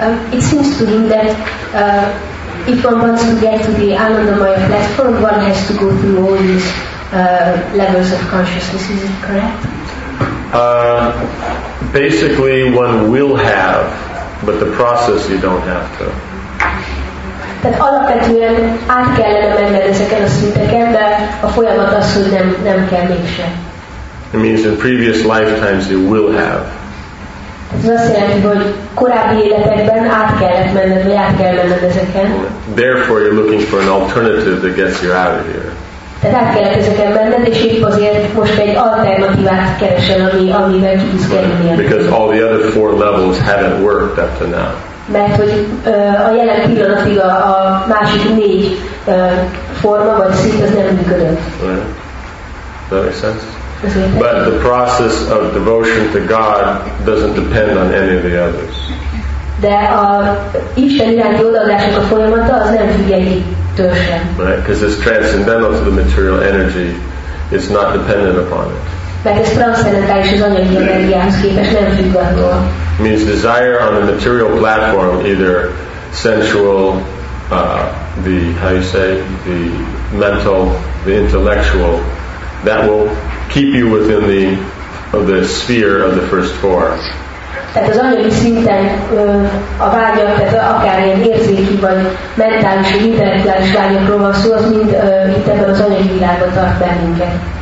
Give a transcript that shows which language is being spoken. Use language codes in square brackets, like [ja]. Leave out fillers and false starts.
[en] It seems to him that if one wants to get to the Ananda Maya platform, one has to go through all these levels of consciousness. Is it correct? Basically, one will have, but the process you don't have to. [hu] Tehát alapvetően át kellene menned ezeken a szinteken, de a folyamat az, hogy nem kell mégse. [en] It means in previous lifetimes you will have. [hu] Ez azt jelenti, hogy korábbi életekben át kellett menned, vagy át kell menned ezeken. [en] Therefore you're looking for an alternative that gets you out of here. [hu] Tehát át kellett ezeken menned, és épp azért most egy alternatívát keresel, amivel ki tudsz kerülni. [en] Because all the other four levels haven't worked up to now. [hu] Mert hogy a jelen pillanatig a másik négy forma vagy szint az nem működött. [en] That makes sense? But the process of devotion to God doesn't depend on any of the others. [hu] De a Isten iránti odaadásnak a folyamata az nem függetlenül sem. [en] Right, because it's transcendental to the material energy, it's not dependent upon it. [hu] Mert ez transzcendentális az anyagi energiához képest nem függ attól. [en] Means desire on the material platform, either sensual, the mental, the intellectual, that will keep you within the sphere of the first four. [hu] Tehát az anyagi szinten a vágyak, tehát akár ilyen érzéki vagy mentális vagy intellektuális vágyakról van szó, az mind itt ebben az anyagi világban tart bennünket.